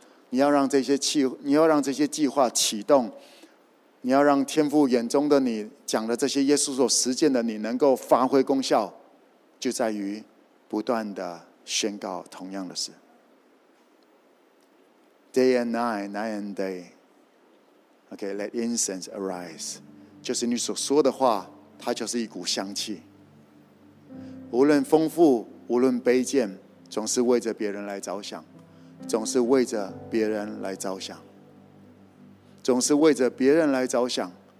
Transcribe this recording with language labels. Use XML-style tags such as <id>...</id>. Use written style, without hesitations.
<zh>你要让这些计，你要让这些计划启动，你要让天父眼中的你讲的这些耶稣所实践的你能够发挥功效，就在于不断的宣告同样的事。</zh> <en>Day and night, night and day. Okay, let incense arise.</en> <zh>就是你所说的话，它就是一股香气。无论丰富，无论卑贱，总是为着别人来着想，总是为着别人来着想，总是为着别人来着想。</zh>